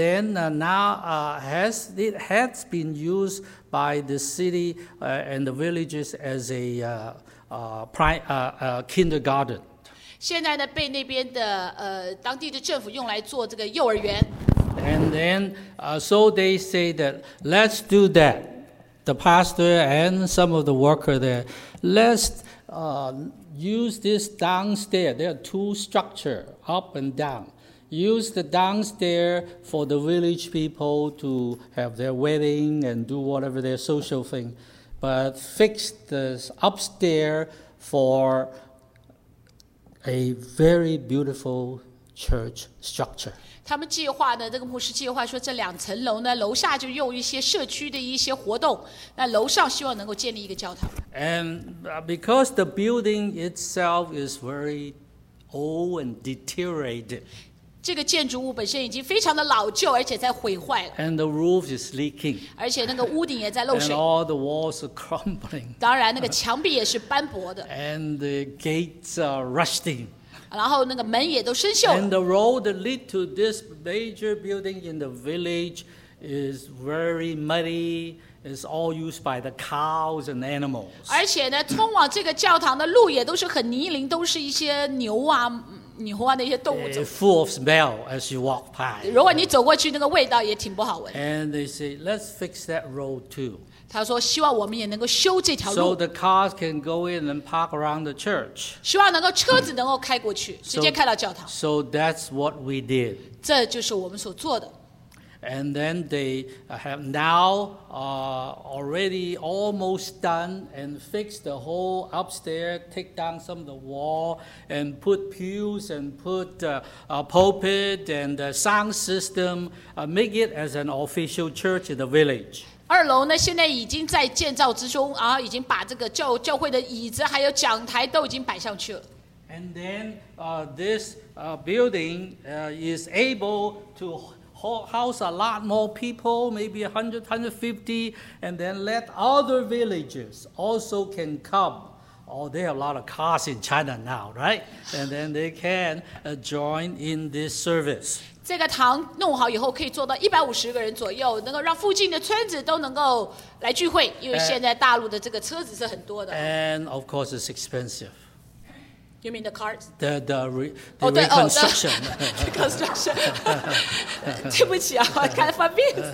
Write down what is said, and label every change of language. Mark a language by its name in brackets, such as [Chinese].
[English] And then now has been used by the city and the villages as a kindergarten. [Chinese] 现在呢，被那边的当地的政府用来做这个幼儿园。 [English] And then, so they say that let's do that. The pastor and some of the worker there, let's use this downstairs. There are two structure, up and down. Use the downstairs for the village people to have their wedding and do whatever their social thing, but fix the upstairs for. A very beautiful church structure. [Chinese] 他们计划的这个牧师计划说，这两层楼呢，楼下就用一些社区的一些活动，那楼上希望能够建立一个教堂。 [English] And because the building itself is very old and deteriorated. [Chinese] 这个建筑物本身已经非常的老旧，而且在毁坏了。 [English] And the roof is leaking. [Chinese] 而且那个屋顶也在漏水。 [English] And all the walls are crumbling. [Chinese] 当然，那个墙壁也是斑驳的。 [English] And the gates are rusting. [Chinese] 然后那个门也都生锈了。 [English] And the road that lead to this major building in the village is very muddy. It's all used by the cows and animals. [Chinese] 而且呢，通往这个教堂的路也都是很泥泞，都是一些牛啊。你喝完那些动物走 [English] full of smell as you walk past. [Chinese] 如果你走过去，那个味道也挺不好闻。 [English] And they say, let's fix that road too. [Chinese] 他说，希望我们也能够修这条路。 [English] So the cars can go in and park around the church. [Chinese] 希望能够车子能够开过去，直接开到教堂。 [English] So that's what we did. [Chinese] 这就是我们所做的。 [English] And then they have now already almost done and fixed the whole upstairs, take down some of the wall and put pews and put a pulpit and a sound system, make it as an official church in the village. [Chinese] 二楼呢，现在已经在建造之中，然后已经把这个教会的椅子还有讲台都已经摆上去了。 [English] And then this building is able to. House a lot more people, maybe 100, 150, and then let other villages also can come. Oh, there are a lot of cars in China now, right? And then they can join in this service. [Chinese] 这个堂弄好以后可以做到150个人左右，能够让附近的村子都能够来聚会，因为现在大陆的这个车子是很多的。 [English] And of course, it's expensive. You mean the cars? The reconstruction. Reconstruction. [Chinese] 对不起啊，我看犯病。